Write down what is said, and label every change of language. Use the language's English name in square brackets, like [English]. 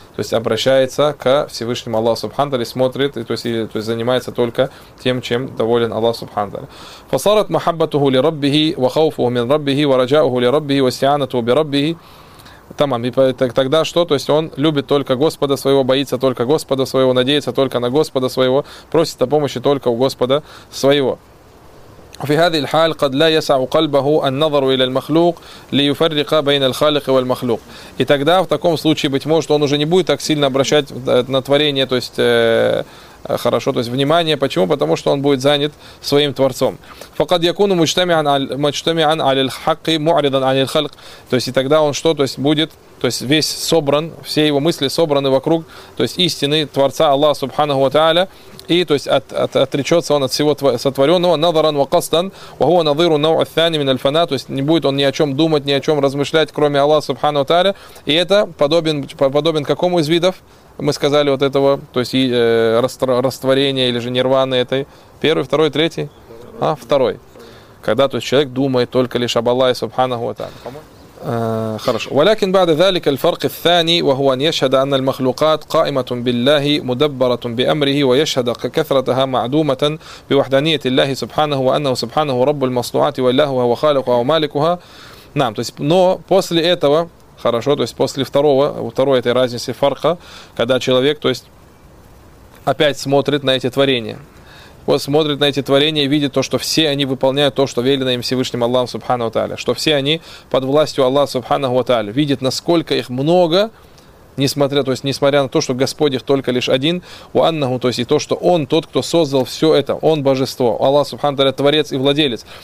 [Russian] То есть обращается к Всевышнему Аллаху Субхану ва Тааля, смотрит, то есть занимается только тем, чем доволен Аллах Субхану ва Тааля. [Arabic] فَصَارَتْ مَحَبَّتُهُ لِرَبِّهِ وَخَوْفُهُ مِنْ رَبِّهِ وَرَجَاؤُهُ لِرَبِّهِ وَاسْتِعَانَتُهُ بِرَبِّهِ. [Russian] Тамам. И тогда что? То есть он любит только Господа своего, боится только Господа своего, надеется только на Господа своего, просит о помощи только у Господа своего. [Arabic] في هذه الحال قد لا يسع قلبه النظر إلى المخلوق ليفرق بين الخالق والمخلوق. [Russian] И тогда в таком случае быть может он уже не будет так сильно обращать на творение, то есть хорошо, то есть внимание. Почему? Потому что он будет занят своим Творцом. [Arabic] فقد يكون مجتمعًا على الحق معرضًا عن الخلق. [Russian] То есть и тогда он что? То есть будет, то есть весь собран, все его мысли собраны вокруг, то есть истины Творца Аллаха Субханаху ва Тааля. И то есть отречется он от всего сотворенного [Arabic] نظرًا وقصدًا وهو نظير النوع الثاني من الفناء. [Russian] То есть не будет он ни о чем думать, ни о чем размышлять, кроме Аллаха Субханаху ва Тааля. И это подобен какому из видов? Мы сказали вот этого, то есть растворение или же нирваны этой. Первый, второй, третий? Второй. Когда то есть человек думает только лишь об Аллахе, субханаху ва тааля. [Arabic] خرج. ولكن بعد ذلك الفرق الثاني وهو أن يشهد أن المخلوقات قائمة بالله مدبرة بأمره ويشهد كثرتها معدومة بوحدانية الله سبحانه وأنه سبحانه رب المصنوعات وإلهها وخالقها ومالكها. نعم. [Russian] Но после этого хорошо, то есть после второй этой разницы фарка, когда человек, то есть опять смотрит на эти творения. Вот смотрит на эти творения и видит то, что все они выполняют то, что велено им Всевышним Аллахом Субхану Тааля, что все они под властью Аллаха Субхану Тааля, видит, насколько их много, несмотря на то, что Господь их только лишь один, у Аннаху, то есть и то, что Он тот, кто создал все это, Он божество, Аллах Субхану Тааля творец и владелец.